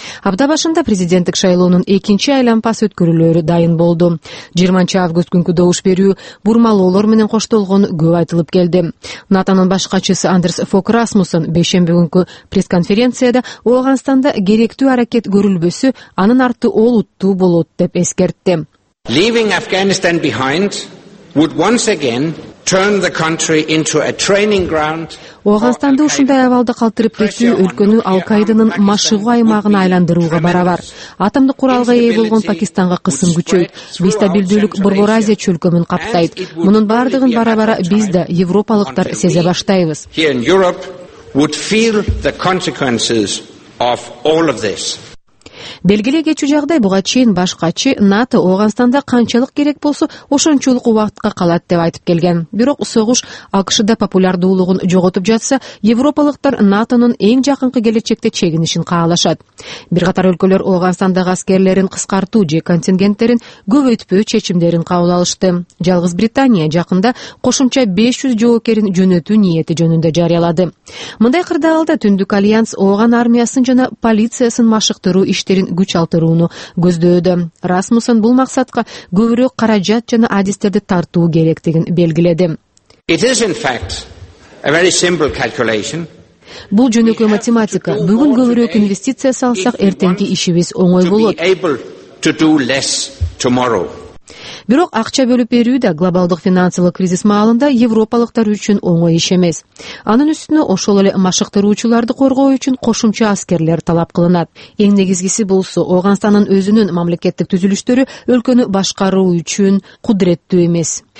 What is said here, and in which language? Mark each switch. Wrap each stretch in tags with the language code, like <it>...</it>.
<ky>Апта башында президенттик шайлоонун экинчи айлампасы өткөрүлөрү дайын болду. 20-август күнкү добуш берүү бурмалоолор менен коштолгону көп айтылып келди. НАТОнун баш катчысы Андерс Фок Расмуссен бейшемби күнкү пресс-конференцияда Ооганстанда керектүү аракет көрүлбөсү анын арты олуттуу болот деп эскертти.</ky> <en>Leaving Afghanistan behind would once again turn the country into a training ground.</en> <ky>Ооганстанды ушундай абалда калтырып кетүү өлкөнү Ал-Каиданын машыгуу аймагына айландырууга барабар. Атомдук куралга ээ болгон Пакистанга кысым күчөйт. Бейстабилдүүлүк Борбор Азия чөлкөмүн каптайт. Мунун бардыгын барабара биз да европалыктар сезе баштайбыз.</ky> <en>Here in Europe would feel the consequences of all of this.</en> <ky>Белгилей кетчү жагдай буга чейин баш катчы НАТО Ооганстанда канчалык керек болсо ошончолук убакытка калат деп айтып келген. Бирок согуш АКШда популярдуулугун жоготуп жатса, европалыктар НАТОнун эң жакынкы келечекте чегинишин каалашат. Бир катар өлкөлөр Оогансандагы аскерлерин кыскартуу же контингенттерин көбөйтпөө чечимдерин кабыл алышты. Жалгыз Британия жакында кошумча 500 жоокерин жөнөтүү ниети жөнүндө жарыялады. Мындай кырдаалда Түндүк альянс Ооган армиясын жана полициясын машыктыруу иштерин күч алтырууну көздөдү. Расмуссен бул максатка көбүрөөк каражат жана адистерди тартуу керектигин белгиледи.</ky> <en>It is in fact a very simple calculation.</en> <ky>Бул жөнөкөй математика. Бүгүн көбүрөөк инвестиция салсак, эртеңки ишибиз оңой болот.</ky> <en>To be able to do less tomorrow.</en> <ky>Бирок акча бөлүп берүү да глобалдык финансылык кризис маалында европалыктар үчүн оңой иш эмес. Анын үстүнө ошол эле машыктыруучуларды коргоо үчүн кошумча аскерлер талап кылынат. Эң негизгиси болсо, Ооганстандын өзүнүн мамлекеттик түзүлүштөрү өлкөнү башкаруу үчүн кудуреттүү эмес.</ky>